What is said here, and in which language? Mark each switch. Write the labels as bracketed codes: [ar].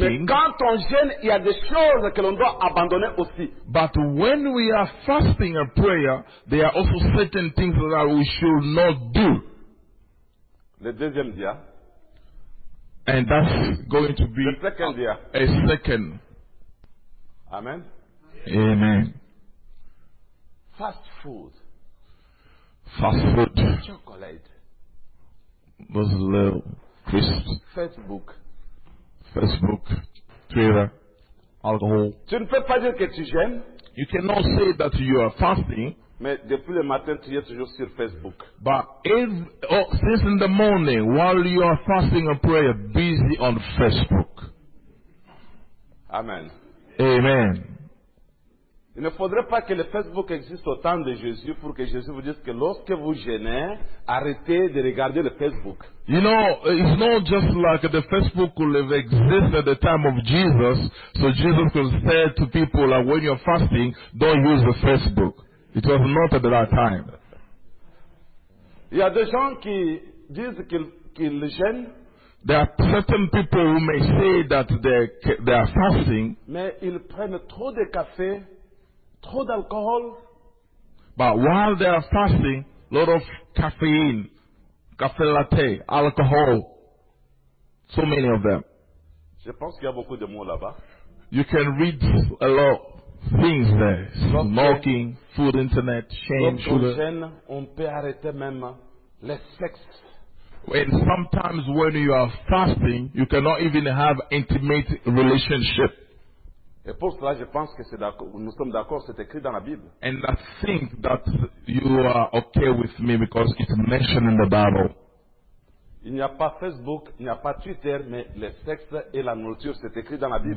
[fr] Mais quand on jeûne, il y a des choses que l'on doit abandonner aussi. [en] But when we are fasting and prayer, there are also certain things that we should not do. [fr] Le deuxième dia. [en] And that's going to be a second. Amen. Amen. Fast food. Fast food. Chocolate. Those little crisps. Facebook. Facebook. Twitter. Alcohol. [fr] Tu ne peux pas dire que tu jeûnes. [en] You cannot say that you are fasting. [fr] Mais depuis le matin, tu es toujours sur Facebook. [en] But if, oh, since in the morning, while you are fasting and prayer, busy on Facebook. Amen. Amen. [fr] Il ne faudrait pas que le Facebook existe au temps de Jésus pour que Jésus vous dise que lorsque vous jeûnez, arrêtez de regarder le Facebook. [en] You know, it's not just like the Facebook could have existed at the time of Jesus, so Jesus could say to people, like, when you're fasting, don't use the Facebook. It was not at that time. [fr] Il y a des gens qui disent qu'ils jeûnent. [en] There are certain people who may say that they are fasting. [fr] Mais ils prennent trop de café, trop d'alcohol. [en] But while they are fasting, a lot of caffeine, café latte, alcohol, so many of them. [fr] Je pense qu'il y a beaucoup de mots là-bas. [en] You can read a lot. Things there, smoking, food, internet, shame, sugar. [fr] Jeûne, on peut arrêter même le sexe. [en] And sometimes when you are fasting, you cannot even have intimate relationship. [fr] Et pour cela, je pense que c'est nous sommes d'accord, c'est écrit dans la Bible. [en] And I think that you are okay with me because it's mentioned in the Bible. [fr] Il n'y a pas Facebook, il n'y a pas Twitter, mais le sexe et la nourriture, c'est écrit dans la Bible.